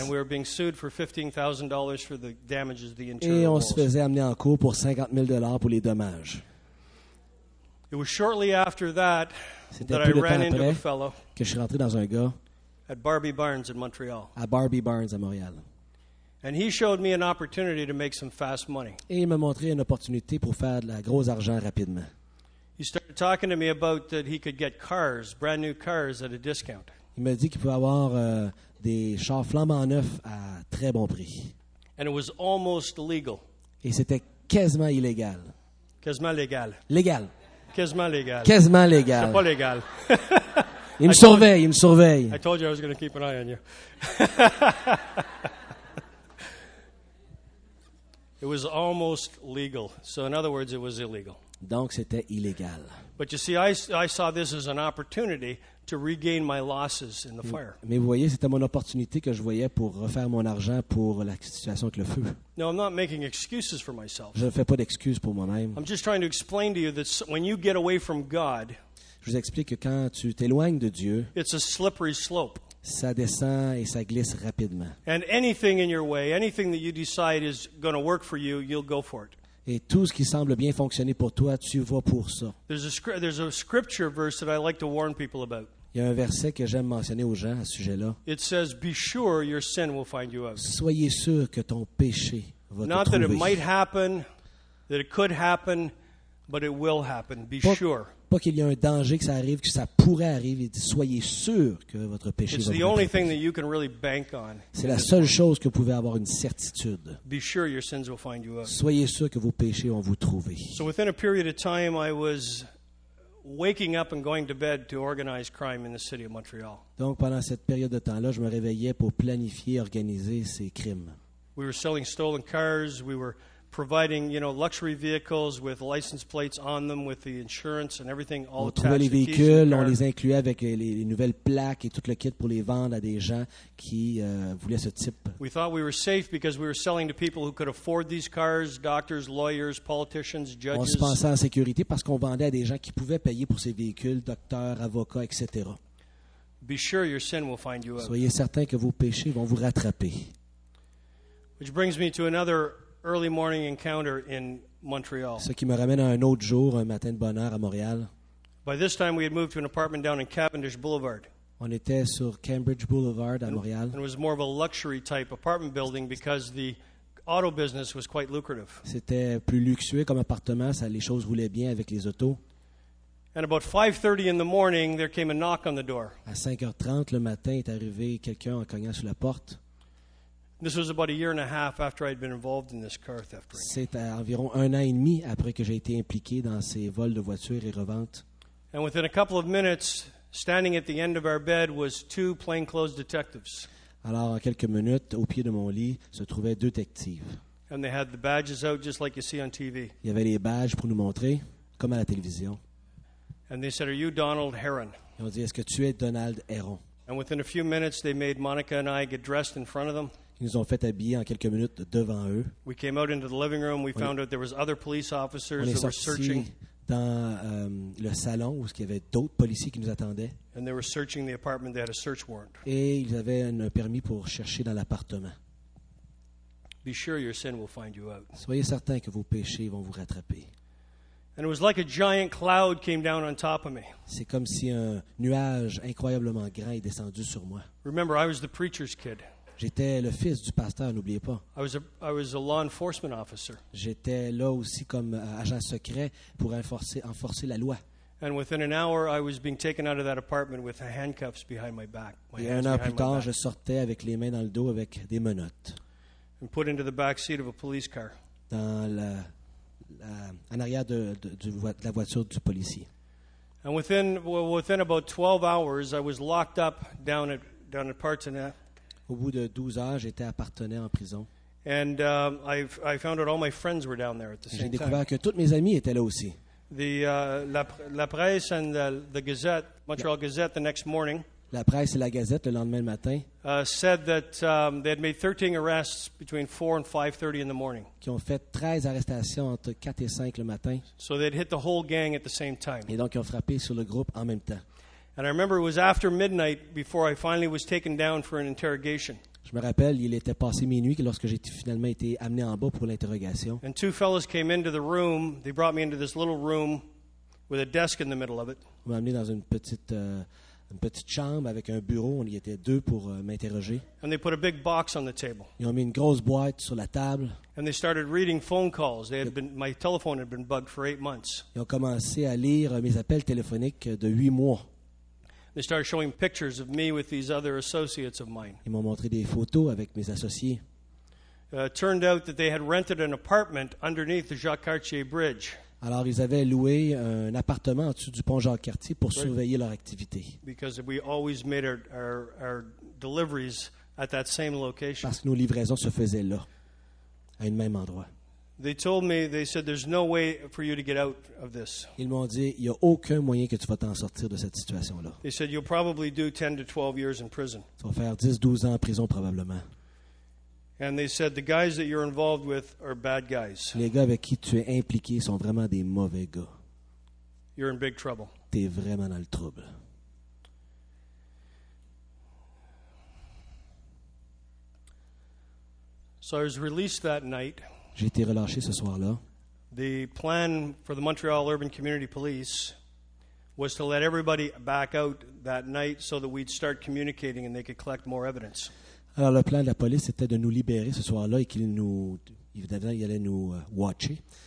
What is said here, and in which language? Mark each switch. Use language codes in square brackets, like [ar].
[en] And we were being sued for $15,000 for the damages of the internal [fr] walls. Et on se faisait amener en cour pour $50,000 pour les dommages. [en] It was shortly after that [fr] C'était [en] that I ran [fr] après [en] into a fellow [fr] que je suis rentré dans un gars [en] at Barbie Barnes in Montreal. [fr] À Barbie Barnes à Montréal. [en] And he showed me an opportunity to make some fast money. [fr] Et il m'a montré une opportunité pour faire de la grosse argent rapidement. [en] He started talking to me about that he could get cars, brand new cars at a discount. [fr] Il m'a dit qu'il pouvait avoir des chars flambant neufs à très bon prix. [en] And it was almost legal. [fr] Et c'était quasiment illégal. Quasiment légal. Légal. Quasiment légal. Quasiment légal. C'est pas légal. Il me surveille. [en] I told you I was going to keep an eye on you. It was almost legal. So in other words, it was illegal. [fr] Donc c'était illégal. [en] But you see, I saw this as an opportunity to regain my losses in the fire. [fr] Mais vous voyez, c'était mon opportunité que je voyais pour refaire mon argent pour la situation avec le feu. [en] No, I'm not making excuses for myself. [fr] Je ne fais pas d'excuses pour moi-même. [en] I'm just trying to explain to you that when you get away from God, [fr] je vous explique que quand tu t'éloignes de Dieu, [en] it's a slippery slope. [fr] Ça descend et ça glisse rapidement. [en] And anything in your way, anything that you decide is going to work for you, you'll go for it. [fr] Et tout ce qui semble bien fonctionner pour toi, tu vas pour ça. [en] There's a scripture verse that I like to warn people about. [fr] Il y a un verset que j'aime mentionner aux gens à ce sujet-là. [en] It says, "Be sure your sin will find you out." [fr] Soyez sûr que ton péché va [en] Not [fr] te trouver. [en] Not that it might happen, that it could happen, but it will happen. Be [fr] pas, [en] sure. [fr] Pas qu'il y ait un danger que ça arrive, que ça pourrait arriver. Il dit, soyez sûr que votre péché [en] It's [fr] va [en] the [fr] vous [en] only thing that you can really bank on. [fr] C'est la seule chose que vous pouvez avoir une certitude. [en] Be sure your sins will find you out. [fr] Soyez sûr que vos péchés vont vous trouver. [en] So within a period of time, I was waking up and going to bed to organize crime in the city of Montreal. [fr] Donc pendant cette période de temps-là, je me réveillais pour planifier, organiser ces crimes. [en] We were selling stolen cars, we were providing, you know, luxury vehicles with license plates on them with the insurance and everything all attached. [fr] On trouvait les véhicules, on les incluait avec les nouvelles plaques et tout le kit pour les vendre à des gens qui voulaient ce type. [en] We thought we were safe because we were selling to people who could afford these cars, doctors, lawyers, politicians, judges. [fr] On se pensait en sécurité parce qu'on vendait à des gens qui pouvaient payer pour ces véhicules, docteurs, avocats, etc. [en] Be sure your sin will find you out. [fr] Soyez certain que vos péchés vont vous rattraper. [en] Which brings me to another early morning encounter in Montreal. [fr] Ce qui me ramène à un autre jour, un matin de bonne heure à Montréal. [en] By this time, we had moved to an apartment down in Cavendish Boulevard. [fr] On était sur Cambridge Boulevard à Montréal. [en] And it was more of a luxury type apartment building because the auto business was quite lucrative. [fr] C'était plus luxueux comme appartement, ça les choses roulaient bien avec les autos. [en] And about 5:30 in the morning, there came a knock on the door. [fr] À 5:30 le matin, est arrivé quelqu'un en cognant sur la porte. [en] This was about a year and a half after I'd been involved in this car theft ring. [fr] C'était environ un an et demi après que j'ai été impliqué dans ces vols de voitures et reventes. [en] And within a couple of minutes, standing at the end of our bed was two plainclothes detectives. [fr] Alors, en quelques minutes, au pied de mon lit, se trouvaient deux détectives. [en] And they had the badges out just like you see on TV. [fr] Il y avait les badges pour nous montrer, comme à la télévision. [en] And they said, "Are you Donald Heron?" [fr] Ils ont dit, est-ce que tu es Donald Heron? [en] And within a few minutes, they made Monica and I get dressed in front of them. [fr] Ils nous ont fait habiller en quelques minutes devant eux. [en] We came out into the living room. We found out there was other police officers that were searching. [fr] On est sorti dans le salon où il y avait d'autres policiers qui nous attendaient. [en] And they were searching the apartment. They had a search warrant. [fr] Et ils avaient un permis pour chercher dans l'appartement. [en] Be sure your sin will find you out. [fr] Soyez certain que vos péchés vont vous rattraper. [en] And it was like a giant cloud came down on top of me. [fr] C'est comme si un nuage incroyablement grand est descendu sur moi. [en] Remember, I was the preacher's kid. [fr] J'étais le fils du pasteur, n'oubliez pas. [en] I was a law enforcement officer. [fr] J'étais là aussi comme agent secret pour enforcer la loi. [en] And within an hour, I was being taken out of that apartment with handcuffs behind my back. [fr] Et un heure plus tard, je sortais avec les mains dans le dos avec des menottes. [en] And put into the back seat of a police car. [fr] Dans en arrière de la voiture du policier. [en] And within about 12 hours, I was locked up down at Partenay. [fr] Au bout de 12 heures, j'étais à Partenay en prison. [en] And I found out all my friends were down there at the same time. [fr] J'ai découvert que tous mes amis étaient là aussi. [en] La presse and the Gazette, Montreal Gazette, the next morning. [fr] La presse et la Gazette le lendemain matin. [en] Said that they had made 13 arrests between 4 and 5:30 in the morning. [fr] Qui ont fait 13 arrestations entre 4 et 5 le matin. [en] So they'd hit the whole gang at the same time. [fr] Et donc ils ont frappé sur le groupe en même temps. [en] And I remember it was after midnight before I finally was taken down for an interrogation. [fr] Je me rappelle, il était passé minuit lorsque j'ai finalement été amené en bas pour l'interrogation. [en] And two fellows came into the room. They brought me into this little room with a desk in the middle of it. [fr] Ils m'ont amené dans une petite chambre avec un bureau. On y était deux pour m'interroger. [en] And they put a big box on the table. [fr] Ils ont mis une grosse boîte sur la table. [en] And they started reading phone calls. My telephone had been bugged for 8 months. [fr] Ils ont commencé à lire mes appels téléphoniques de 8 mois. [en] They started showing pictures of me with these other associates of mine. [fr] Ils m'ont montré des photos avec mes associés. [en] Turned out that they had rented an apartment underneath the Jacques Cartier Bridge. [fr] Alors, ils avaient loué un appartement en-dessous du pont Jacques-Cartier pour surveiller leur activité. [en] Because we always made our deliveries at that same location. [fr] Parce que nos livraisons se faisaient là, à un même endroit. [en] They told me, they said, there's no way for you to get out of this. [fr] Ils m'ont dit, il y a aucun moyen que tu vas t'en sortir de cette situation-là. [en] They said, you'll probably do 10 to 12 years in prison. [fr] Tu vas faire 10-12 ans en prison probablement. [en] And they said, the guys that you're involved with are bad guys. [fr] Les gars avec qui tu es impliqué sont vraiment des mauvais gars. [en] You're in big trouble. [fr] T'es vraiment dans le trouble. [en] So I was released that night. [fr] J'ai été relâché ce soir-là. [en] The plan for the Montreal Urban Community Police was to let everybody back out that night so that we'd start communicating and they could collect more evidence. [fr] Alors le plan de la police était de nous libérer ce soir-là et qu'ils nous évidemment ils allaient nous watcher.